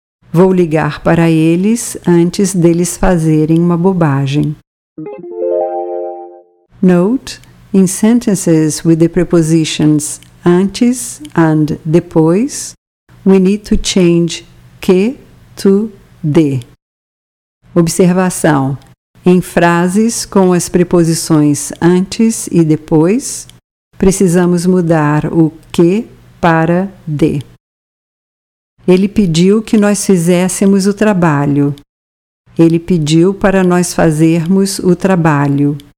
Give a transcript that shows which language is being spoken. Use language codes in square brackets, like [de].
[pt] Vou ligar para eles antes deles fazerem uma bobagem. [en] Note, in sentences with the prepositions antes and depois, we need to change que to de. [pt] Observação. Em frases com as preposições antes e depois, precisamos mudar o que para de. Ele pediu que nós fizéssemos o trabalho. Ele pediu para nós fazermos o trabalho.